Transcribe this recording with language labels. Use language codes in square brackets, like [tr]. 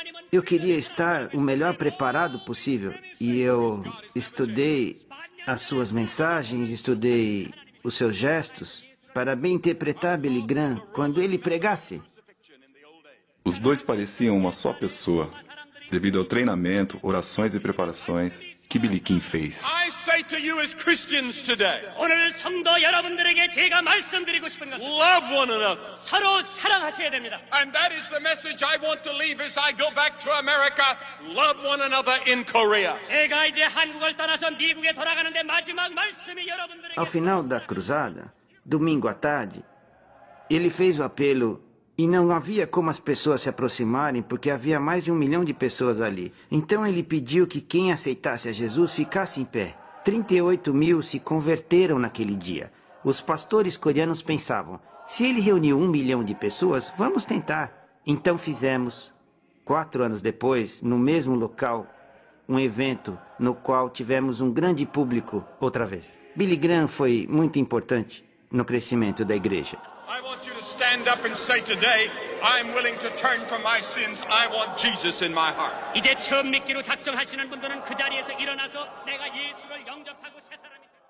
[pt] Eu queria estar o melhor preparado possível e eu estudei as suas mensagens, estudei os seus gestos para bem interpretar Billy Graham quando ele pregasse. Os dois pareciam uma só pessoa devido ao treinamento, orações e preparações que Billy Graham fez. [en] I say to you as Christians today, love one another. And that is the message I want to leave as I go back to America. Love one another in Korea. [ko] 제가 이제 한국을 떠나서 미국에 돌아가는데 마지막 말씀이 여러분들에게. [pt] Ao final da cruzada, domingo à tarde, ele fez o apelo. E não havia como as pessoas se aproximarem, porque havia mais de 1 milhão de pessoas ali. Então ele pediu que quem aceitasse a Jesus ficasse em pé. 38 mil se converteram naquele dia. Os pastores coreanos pensavam, se ele reuniu 1 milhão de pessoas, vamos tentar. Então fizemos, 4 anos depois, no mesmo local, um evento no qual tivemos um grande público outra vez. Billy Graham foi muito importante no crescimento da igreja. [en] I want you to stand up and say today, I'm willing to turn from my sins. I want Jesus in my heart. [ko] 이제 처음 믿기로 작정하시는 분들은 그 자리에서 일어나서 내가 예수를 영접하고 새 사람이